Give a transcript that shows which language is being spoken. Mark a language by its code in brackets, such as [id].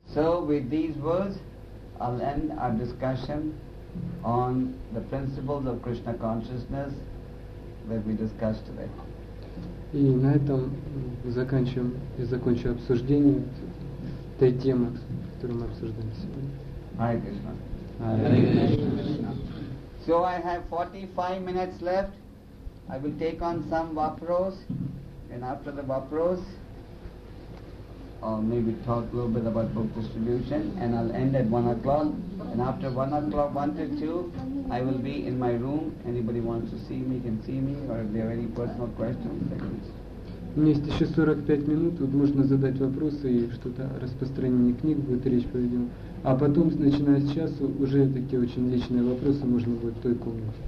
[en] So with these words, I'll end our discussion on the principles of Krishna consciousness that we discussed today. [ru] И на этом закончим, я закончу обсуждение этой темы, которую мы обсуждаем сегодня. [en] Hare Krishna. Hare Krishna. So I have 45 minutes left. I will take on some vapros, and after the vapros, I'll maybe talk a little bit about book distribution, and I'll end at 1 o'clock. And after 1 o'clock, 1 to 2, I will be in my room. Anybody wants to see me can see me, or if they have any personal questions, they can. [ru] У меня есть еще 45 минут, тут можно задать вопросы и что-то о распространении книг будет речь поведена. А потом, начиная с часу, уже такие очень личные вопросы можно будет в той комнате.